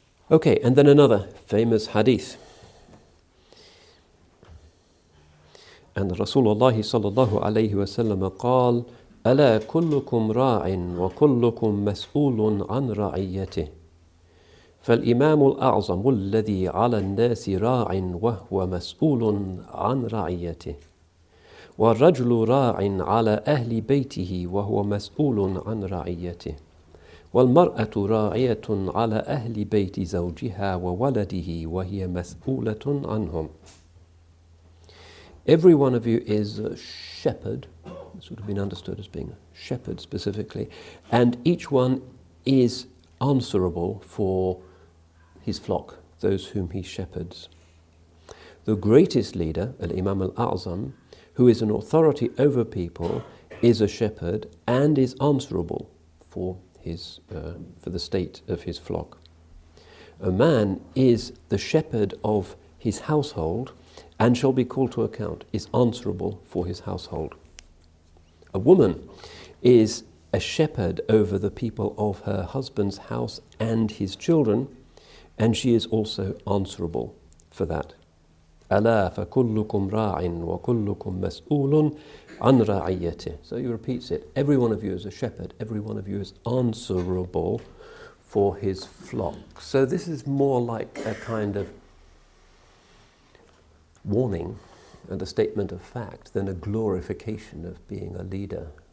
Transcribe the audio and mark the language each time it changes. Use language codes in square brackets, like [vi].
[en] Okay, and then another famous hadith. And [ar] Rasulullah sallallahu alayhi wa sallam qal, ألا كلكم راع وكلكم مسؤول عن رعيته فالإمام الأعظم الذي على الناس راع وهو مسؤول عن رعيته والرجل راع على أهل بيته وهو مسؤول عن رعيته والمرأة راعية على أهل بيت زوجها وولده وهي مسؤولة عنهم. [en] Every one of you is a shepherd, sort of been understood as being a shepherd specifically, and each one is answerable for his flock, those whom he shepherds. The greatest leader, al-Imam al-A'zam, who is an authority over people, is a shepherd and is answerable for his for the state of his flock. A man is the shepherd of his household and shall be called to account, is answerable for his household. A woman is a shepherd over the people of her husband's house and his children, and she is also answerable for that. [ar] Allah فَكُلُّكُمْ رَاعٍ وَكُلُّكُمْ مَسْؤُولٌ عَنْ رَاعِيَتِهِ. [en] So he repeats it. Every one of you is a shepherd. Every one of you is answerable for his flock. So this is more like a kind of warning and a statement of fact than a glorification of being a leader.